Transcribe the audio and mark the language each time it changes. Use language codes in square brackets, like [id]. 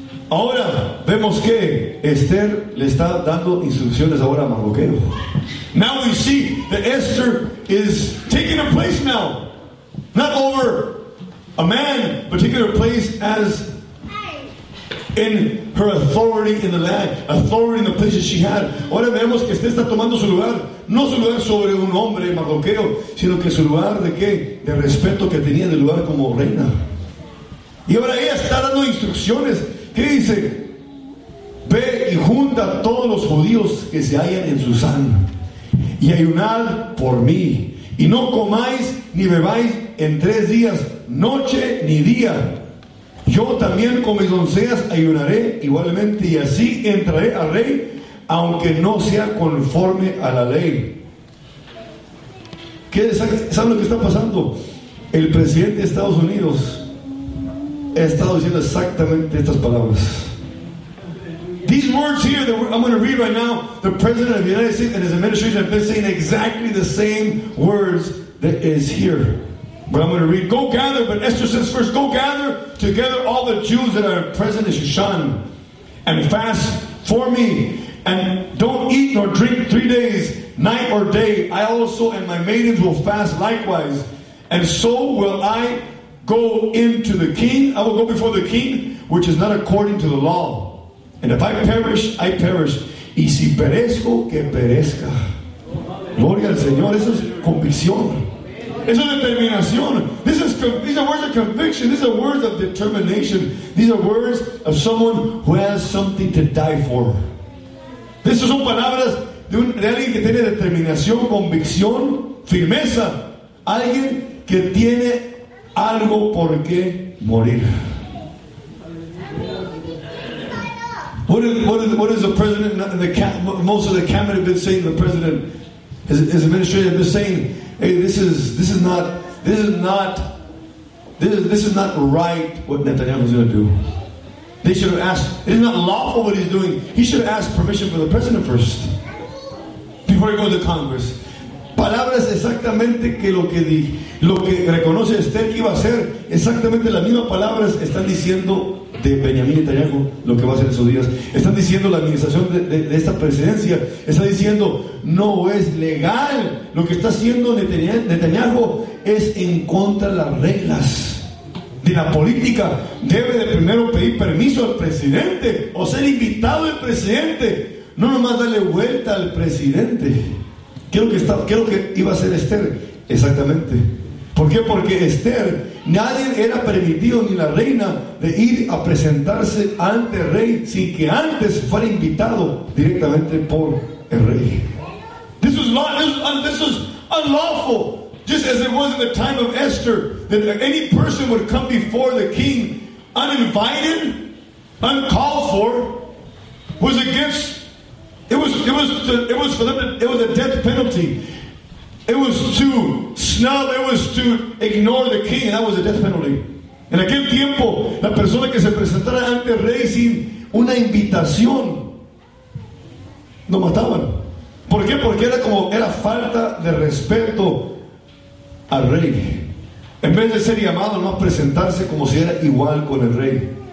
[es] Ahora vemos que Esther le está dando instrucciones ahora a Mordecai. [en] Now we see that Esther is taking a place now, not over a man, but taking her place as in her authority in the land, authority in the places she had. [es] Ahora vemos que Esther está tomando su lugar, no su lugar sobre un hombre mardoqueo, sino que su lugar de qué, de respeto que tenía del lugar como reina. Y ahora ella está dando instrucciones. ¿Qué dice? Ve y junta a todos los judíos que se hallan en Susán y ayunad por mí, y no comáis ni bebáis en 3 días, noche ni día. Yo también con mis doncellas ayunaré igualmente, y así entraré al rey, aunque no sea conforme a la ley. ¿Qué es lo que está pasando? El presidente de Estados Unidos ha estado diciendo exactamente estas palabras. [en] These words here that I'm going to read right now, the president of the United States and his administration have been saying exactly the same words that is here. But I'm going to read, go gather, but Esther says first, go gather together all the Jews that are present in Shushan and fast for me, and don't eat nor drink 3 days, night or day. I also and my maidens will fast likewise, and so will I go into the king. I will go before the king, which is not according to the law. And if I perish, I perish. [es] Y si perezco, que perezca. Gloria al Señor. Eso es convicción. Esa determinación. [en] These are words of conviction. These are words of determination. These are words of someone who has something to die for. [es] Estas son palabras de alguien que tiene determinación, convicción, firmeza. Alguien que tiene algo por qué morir. [en] What is the president and the most of the cabinet have been saying? The president, his administration have been saying, hey, this is not right what Netanyahu is going to do. They should have asked. It is not lawful what he's doing. He should have asked permission from the president first before he goes to Congress. [es] Palabras exactamente que lo que reconoce Esther que iba a hacer, exactamente las mismas palabras están diciendo de Benjamín Netanyahu lo que va a hacer en sus días. Están diciendo la administración de esta presidencia está diciendo no es legal lo que está haciendo Netanyahu, es en contra de las reglas de la política. Debe de primero pedir permiso al presidente o ser invitado el presidente, no nomás darle vuelta al presidente. ¿Qué es lo que iba a hacer Esther? Exactamente. ¿Por qué? Porque Esther, nadie era permitido, ni la reina, de ir a presentarse ante el rey sin que antes fuera invitado directamente por el rey. [en] This was unlawful. Just as it was in the time of Esther, that any person would come before the king uninvited, uncalled for, was against. It was a death penalty. It was to snub, it was to ignore the king, and that was a death penalty. [es] En aquel tiempo, la persona que se presentara ante el rey sin una invitación, lo mataban. ¿Por qué? Porque era como, era falta de respeto al rey. En vez de ser llamado, no presentarse como si era igual con el rey.